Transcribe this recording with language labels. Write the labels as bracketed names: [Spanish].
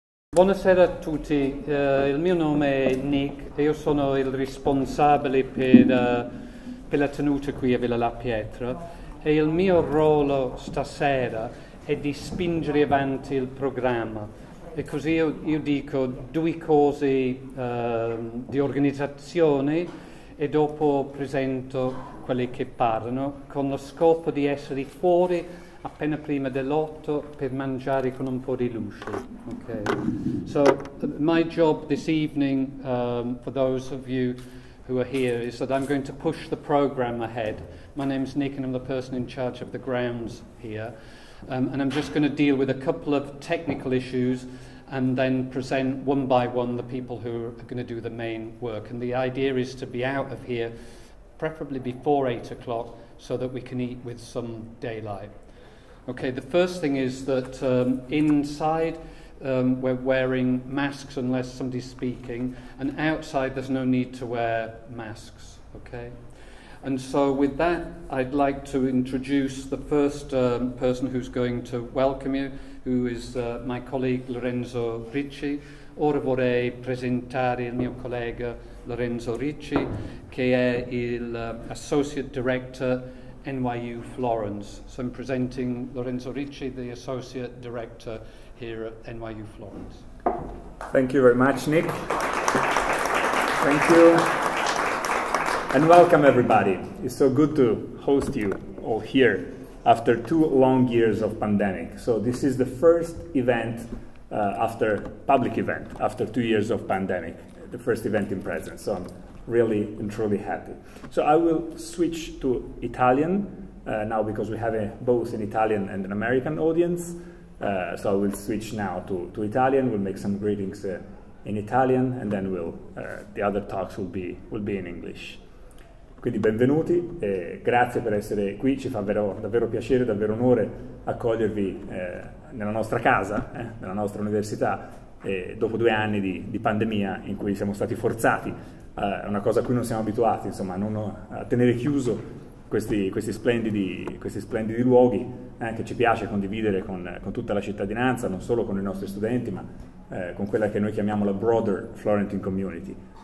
[Italian] Buonasera a tutti, il mio nome è Nick e io sono il responsabile per la tenuta qui a Villa La Pietra e il mio ruolo stasera è di spingere avanti il programma e così io dico due cose di organizzazione e dopo presento quelli che parlano con lo scopo di essere fuori appena prima dell'8 per mangiare con un po' di luce. [English] Okay. So my job this evening, for those of you who are here, is that I'm going to push the program ahead. My name's Nick and I'm the person in charge of the grounds here. And I'm just going to deal with a couple of technical issues and then present one by one the people who are going to do the main work. And the idea is to be out of here, preferably before 8 o'clock, so that we can eat with some daylight. Okay, the first thing is that inside we're wearing masks unless somebody's speaking, and outside there's no need to wear masks, okay? And so with that, I'd like to introduce the first person who's going to welcome you, who is my colleague Lorenzo Ricci. [Italian] Ora vorrei presentare il mio collega Lorenzo Ricci, che è il Associate Director NYU Florence. [English] So I'm presenting Lorenzo Ricci, the Associate Director here at NYU Florence. Thank you very much, Nick. Thank you. And welcome, everybody. It's so good to host you all here after 2 long years of pandemic. So this is the first event after public event, after 2 years of pandemic, the first event in presence. So I'm really and truly happy. So I will switch to Italian now because we have both an Italian and an American audience. So I will switch now to Italian. We'll make some greetings in Italian, and then the other talks will be in English. [Italian] Quindi benvenuti, e grazie per essere qui. Ci fa davvero piacere, davvero onore accogliervi nella nostra casa, nella nostra università, dopo 2 anni di pandemia in cui siamo stati forzati. È una cosa a cui non siamo abituati, insomma, a tenere chiuso questi splendidi luoghi che ci piace condividere con tutta la cittadinanza, non solo con i nostri studenti, ma con quella che noi chiamiamo la [English] broader Florentine community.